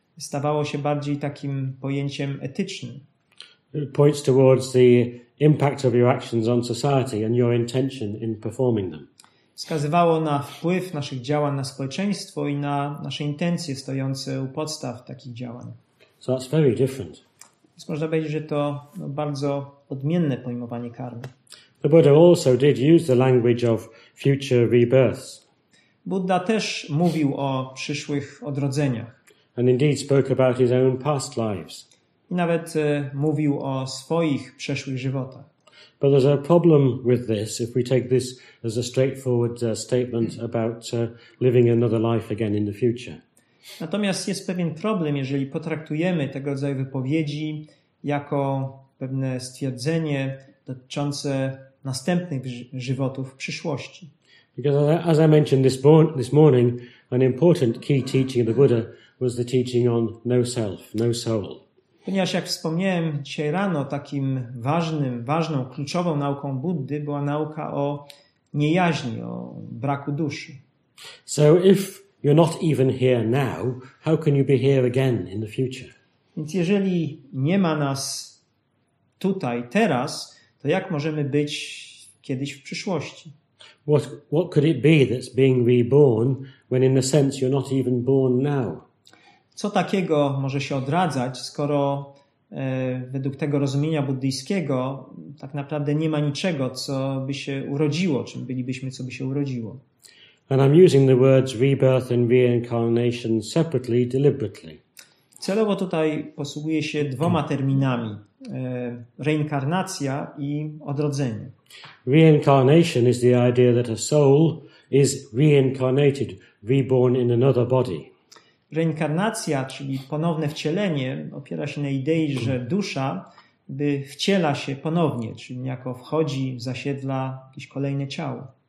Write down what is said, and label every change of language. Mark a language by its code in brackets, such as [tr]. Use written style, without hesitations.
[pl] Stawało się bardziej takim pojęciem etycznym. [en] It points towards the impact of your actions on society and your intention in performing them. [pl] Wskazywało na wpływ naszych działań na społeczeństwo i na nasze intencje stojące u podstaw takich działań. [en] So that's very different. [pl] Więc można powiedzieć, że to bardzo odmienne pojmowanie karmy. [en] The Buddha also did use the language of future rebirths. [pl] Buddha też mówił o przyszłych odrodzeniach. [en] And indeed spoke about his own past lives. [pl] I nawet mówił o swoich przeszłych żywotach. [en] But there's a problem with this if we take this as a straightforward statement about living another life again in the future. [pl] Natomiast jest pewien problem, jeżeli potraktujemy tego rodzaju wypowiedzi jako pewne stwierdzenie dotyczące następnych żywotów w przyszłości. [en] Because as I mentioned this morning, an important key teaching of the Buddha was the teaching on no self, no soul. [pl] Ponieważ jak wspomniałem dzisiaj rano, takim ważną, kluczową nauką Buddy była nauka o niejaźni, o braku duszy. [en] So if you're not even here now, how can you be here again in the future? [pl] Więc jeżeli nie ma nas tutaj teraz, to jak możemy być kiedyś w przyszłości? [en] What could it be that's being reborn when in a sense you're not even born now? [pl] Co takiego może się odradzać, skoro według tego rozumienia buddyjskiego tak naprawdę nie ma niczego, co by się urodziło, czym bylibyśmy, co by się urodziło. [en] And I'm using the words rebirth and reincarnation separately, deliberately. [pl] Celowo tutaj posługuję się dwoma terminami. Reinkarnacja i odrodzenie. [en] Reincarnation is the idea that a soul is reincarnated, reborn in another body. [pl] Reinkarnacja, czyli ponowne wcielenie, opiera się na idei, że dusza by wciela się ponownie, czyli niejako wchodzi, zasiedla jakieś kolejne ciało.